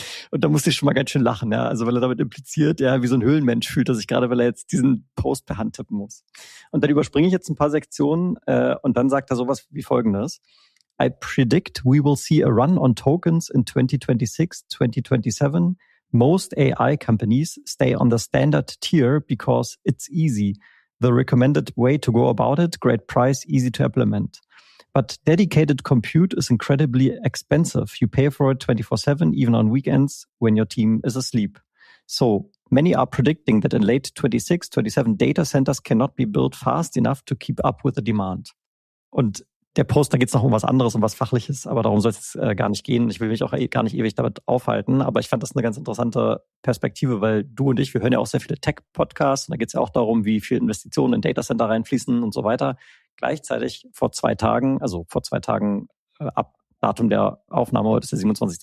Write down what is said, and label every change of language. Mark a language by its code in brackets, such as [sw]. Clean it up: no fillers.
[de] Und da musste ich schon mal ganz schön lachen, ja. Also, weil er damit impliziert, ja, wie so ein Höhlenmensch fühlt er sich gerade, weil er jetzt diesen Post per Hand tippen muss. Und dann überspringe ich jetzt ein paar Sektionen, und dann sagt er sowas wie folgendes: I predict we will see a run on tokens in 2026, 2027. [en] Most AI companies stay on the standard tier because it's easy. The recommended way to go about it, great price, easy to implement. But dedicated compute is incredibly expensive. You pay for it 24/7, even on weekends when your team is asleep. So many are predicting that in late 26, 27, data centers cannot be built fast enough to keep up with the demand. [de] Und der Post, da geht es noch um was anderes, um was Fachliches, aber darum soll es gar nicht gehen. Ich will mich auch gar nicht ewig damit aufhalten, aber ich fand das eine ganz interessante Perspektive, weil du und ich, wir hören ja auch sehr viele Tech-Podcasts, und da geht es ja auch darum, wie viel Investitionen in Datacenter reinfließen und so weiter. Gleichzeitig vor zwei Tagen ab Datum der Aufnahme, heute ist der 27.